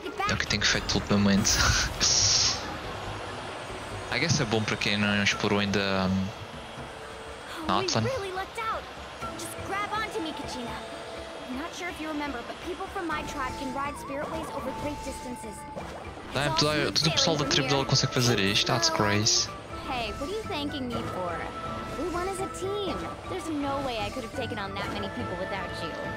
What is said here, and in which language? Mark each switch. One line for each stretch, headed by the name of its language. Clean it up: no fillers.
Portuguese: Eu que tenho que fazer tudo mesmo antes.
English: I guess
Portuguese: é bom para quem não explorou ainda.
English: Natlan. Really lucked out. Just grab onto me, Kachina. I'm not sure if you remember, but people from my tribe can ride spirit ways over great distances.
Portuguese: Todo o pessoal da tribo dela consegue fazer isto.
English: That's crazy. Hey, what are you thanking me for? We won as a team. There's no way I could have taken on that many people without you.